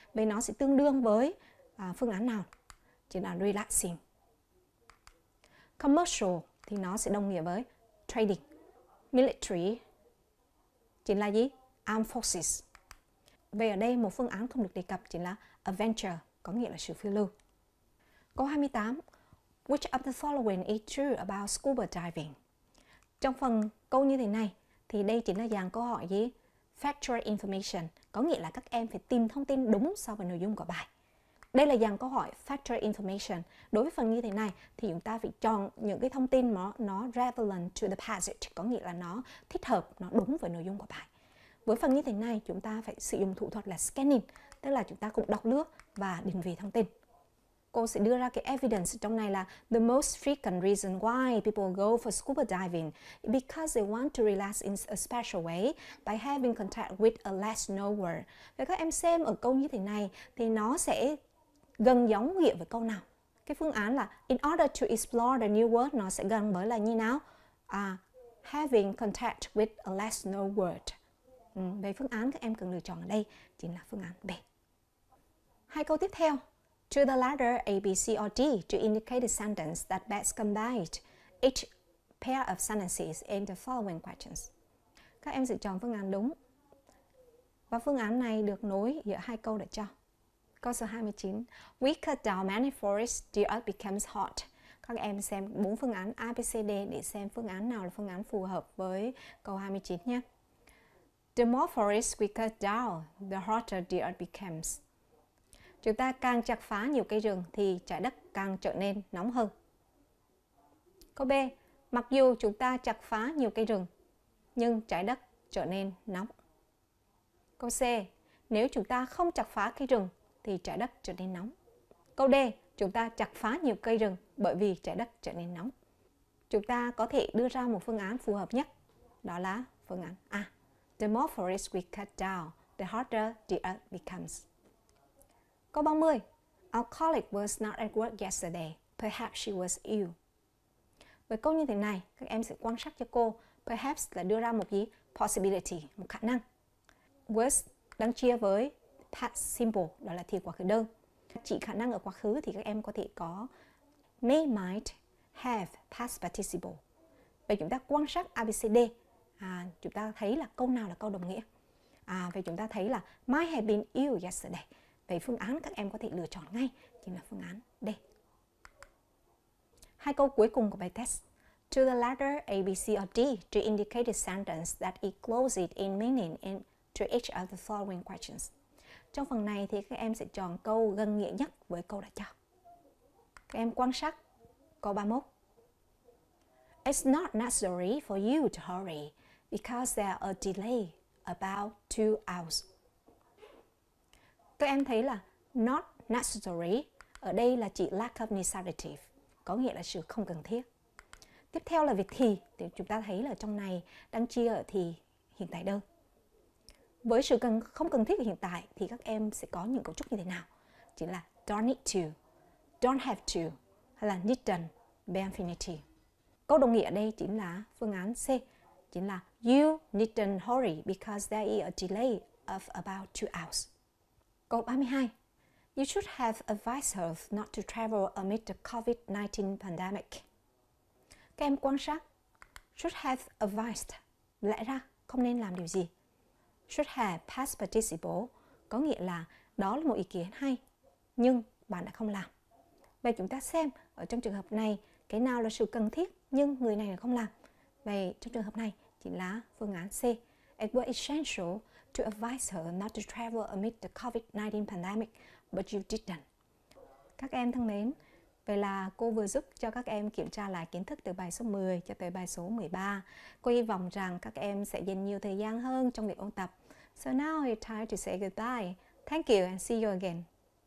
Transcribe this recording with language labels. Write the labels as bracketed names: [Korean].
[Vietnamese] Vậy nó sẽ tương đương với phương án nào? Chính là relaxing. Commercial thì nó sẽ đồng nghĩa với trading. Military chính là gì? [English] Armed forces. [Vietnamese] Vậy ở đây một phương án không được đề cập chính là adventure, có nghĩa là sự phiêu lưu. Câu 28. [English] Which of the following is true about scuba diving? [Vietnamese] Trong phần câu như thế này thì đây chính là dạng câu hỏi gì? [English] Factual information, [Vietnamese] có nghĩa là các em phải tìm thông tin đúng so với nội dung của bài. Đây là dạng câu hỏi [English] factual information. [Vietnamese] Đối với phần như thế này thì chúng ta phải chọn những cái thông tin mà nó [English] relevant to the passage, [Vietnamese] có nghĩa là nó thích hợp, nó đúng với nội dung của bài. Với phần như thế này chúng ta phải sử dụng thủ thuật là scanning, tức là chúng ta cũng đọc lướt và định vị thông tin. Cô sẽ đưa ra cái [English] evidence [Vietnamese] trong này là [English] the most frequent reason why people go for scuba diving because they want to relax in a special way by having contact with a less known world. [Vietnamese] Vậy các em xem ở câu như thế này thì nó sẽ gần giống nghĩa với câu nào? Cái phương án là [English] in order to explore the new world [Vietnamese] nó sẽ gần với là như nào? [English] Having contact with a less known world. [Vietnamese] Về phương án các em cần lựa chọn ở đây chính là phương án B. Hai câu tiếp theo. [English] Choose the letter A, B, C or D to indicate the sentence that best combines each pair of sentences in the following questions. [Vietnamese] Các em sẽ chọn phương án đúng. Và phương án này được nối giữa hai câu đã cho. Câu số 29. [English] We cut down many forests, the earth becomes hot. [Vietnamese] Các em xem bốn phương án A, B, C, D để xem phương án nào là phương án phù hợp với câu 29 nhé. [English] The more forests we cut down, the hotter the earth becomes. [Vietnamese] Chúng ta càng chặt phá nhiều cây rừng thì trái đất càng trở nên nóng hơn. Câu B. Mặc dù chúng ta chặt phá nhiều cây rừng, nhưng trái đất trở nên nóng. Câu C. Nếu chúng ta không chặt phá cây rừng, thì trái đất trở nên nóng. Câu D. Chúng ta chặt phá nhiều cây rừng bởi vì trái đất trở nên nóng. Chúng ta có thể đưa ra một phương án phù hợp nhất. Đó là phương án A. [English] The more forests we cut down, the hotter the earth becomes. [Vietnamese] Câu 30. [English] Our colleague was not at work yesterday. Perhaps she was ill. [Vietnamese] Với câu như thế này, các em sẽ quan sát cho cô. Perhaps là đưa ra một gì? Possibility, một khả năng. Was đang chia với [English] past simple, [Vietnamese] đó là thì quá khứ đơn. Chỉ khả năng ở quá khứ thì các em có thể có [English] may, might, have, past participle. [Vietnamese] Vậy chúng ta quan sát ABCD, chúng ta thấy là câu nào là câu đồng nghĩa. Vậy chúng ta thấy là [English] might have been ill yesterday. [Vietnamese] Về phương án các em có thể lựa chọn ngay chính là phương án D. Hai câu cuối cùng của bài test. [English] Choose the letter A, B, C or D to indicate the sentence that it closes in meaning in to each of the following questions. [Vietnamese] Trong phần này thì các em sẽ chọn câu gần nghĩa nhất với câu đã cho. Các em quan sát câu 31. [English] It's not necessary for you to hurry because there are delay about 2 hours. [Vietnamese] Các em thấy là [English] not necessary [Vietnamese] ở đây là chỉ [English] lack of necessity, [Vietnamese] có nghĩa là sự không cần thiết. Tiếp theo là việc thì chúng ta thấy là trong này đang chia ở thì hiện tại đơn. Với sự cần không cần thiết ở hiện tại thì các em sẽ có những cấu trúc như thế nào? Chỉ là [English] don't need to, don't have to [Vietnamese] hay là [English] needn't be infinity. [Vietnamese] Câu đồng nghĩa ở đây chính là phương án C, chính là [English] you needn't hurry because there is a delay of about 2 hours. [Vietnamese] Câu 32. [English] You should have advised her not to travel amid the COVID-19 pandemic. [Vietnamese] Các em quan sát. [English] Should have advised. [Vietnamese] Lẽ ra không nên làm điều gì. [English] Should have past participle. [Vietnamese] Có nghĩa là đó là một ý kiến hay. Nhưng bạn đã không làm. Vậy chúng ta xem ở trong trường hợp này cái nào là sự cần thiết nhưng người này không làm. Vậy trong trường hợp này chính là phương án C. [English] It was essential to advise her not to travel amid the COVID-19 pandemic, but you didn't. [Vietnamese] Các em thân mến, vậy là cô vừa giúp cho các em kiểm tra lại kiến thức từ bài số 10 cho tới bài số 13. Cô hy vọng rằng các em sẽ dành nhiều thời gian hơn trong việc ôn tập. [English] So now it's time to say goodbye. Thank you and see you again.